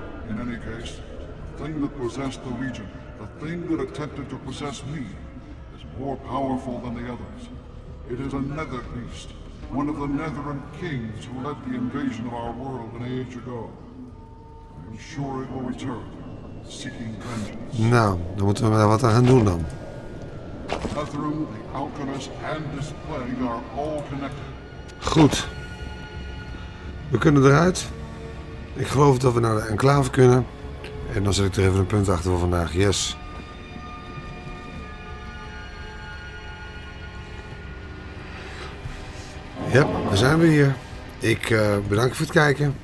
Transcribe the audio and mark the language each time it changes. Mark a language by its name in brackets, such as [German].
[English] In any case, the thing that possessed the Regent, the thing that attempted to possess me, is more powerful than the others. It is a Nether Beast, one of the Netherum kings who led the invasion of our world an age ago. I am sure it will return, seeking vengeance. [Dutch] Nou, dan moeten we wat aan gaan doen dan. [English] Netherum, the Alchemist and this plague are all connected. [Dutch] Goed. We kunnen eruit. Ik geloof dat we naar de enclave kunnen. En dan zet ik er even een punt achter voor vandaag. Yes. Ja, daar zijn we hier. Ik bedank je voor het kijken.